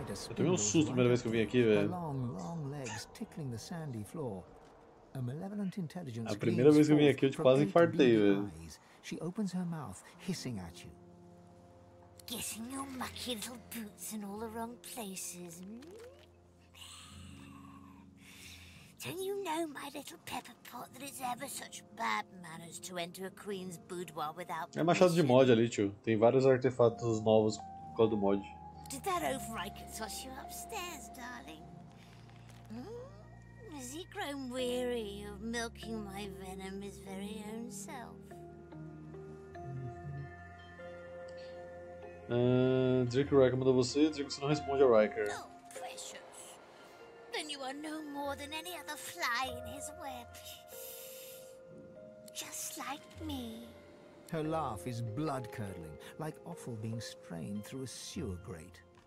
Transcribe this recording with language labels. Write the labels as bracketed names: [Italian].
[Portuguese] Eu tomei um susto a primeira vez que eu vim aqui, velho. [English] Tickling the sandy floor. A malevolent intelligence. [Portuguese] A primeira vez que eu vim aqui, eu te quase infartei, velho. [English] She opens her mouth, hissing at you. Getting your mucky little boots in all the wrong places. Don't you know, my little pepper pot, that it's ever such bad manners to enter a queen's boudoir without permission? [Portuguese] É machado de mod ali, tio. Tem vários artefatos novos por causa do mod. [English] Did that overriker toss you upstairs, darling? Has he grown weary of milking my venom his very own self? [Portuguese] Drake Riker mandou você, Drake, você não responde a Riker. [English] Oh, precious. Then you are no more than any other fly in his web. Just like me. Her laugh is blood-curdling, like offal being strained through a sewer grate.